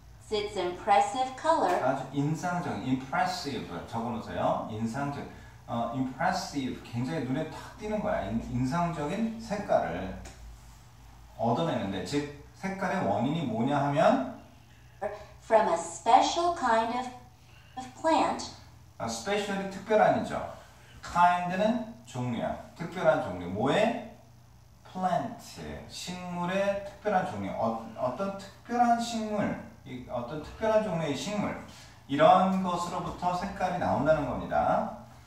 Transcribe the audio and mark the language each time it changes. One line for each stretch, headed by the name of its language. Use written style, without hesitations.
English: It's impressive color.
Korean: 아주 인상적인, impressive. 적어놓으세요. 인상적. impressive. 굉장히 눈에 탁 띄는 거야. 인상적인 색깔을 얻어내는데. 즉, 색깔의 원인이 뭐냐 하면,
English: From a special kind of plant.
Korean: specially 특별한 이죠. kind는 종류야. 특별한 종류. 뭐에? plant. 식물의 특별한 종류. 어떤 특별한 식물. 어떤 특별한 종류의 식물. 이런 것으로부터 색깔이 나온다는 겁니다.